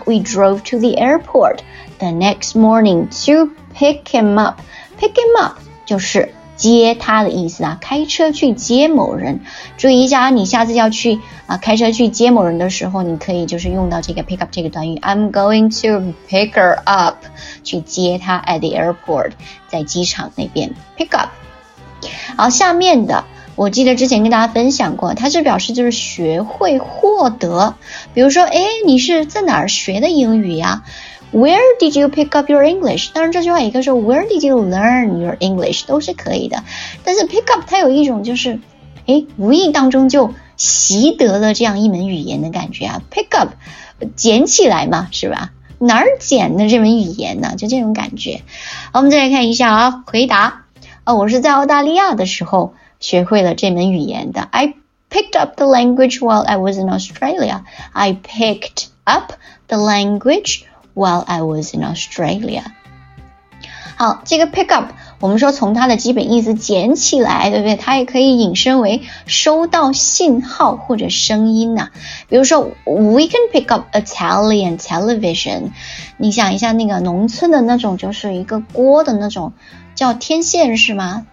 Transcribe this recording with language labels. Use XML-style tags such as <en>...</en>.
<en>We drove to the airport the next morning to pick him up. Pick him up</en> <zh>就是接他的意思啊，开车去接某人。注意一下，你下次要去开车去接某人的时候，你可以就是用到这个 pick up 这个短语。</zh> <en>I'm going to pick her up,</en> <zh>去接他</zh> <en>at the airport,</en> <zh>在机场那边</zh> <en>pick up。</en> <zh>好，下面的我记得之前跟大家分享过，它是表示就是学会获得。比如说，哎，你是在哪儿学的英语呀？</zh> <en>Where did you pick up your English?</en> <zh>当然这句话一个是</zh> <en>Where did you learn your English?</en> <zh>都是可以的。但是 pick up 它有一种就是诶无意当中就习得了这样一门语言的感觉啊。 Pick up, 捡起来嘛，是吧？哪儿捡的这门语言呢？就这种感觉。好，我们再来看一下啊，回答。我是在澳大利亚的时候学会了这门语言的。</zh> <en>I picked up the language while I was in Australia. I picked up the language,While I was in Australia.</en> <zh>好，这个 pick up, 我们说从它的基本意思捡起来，对不对？它也可以引申为收到信号或者声音呢、啊。</zh> <en>比如说 ,we can pick up Italian television.</en> <zh>你想一下那个农村的那种就是一个锅的那种叫天线是吗？</zh>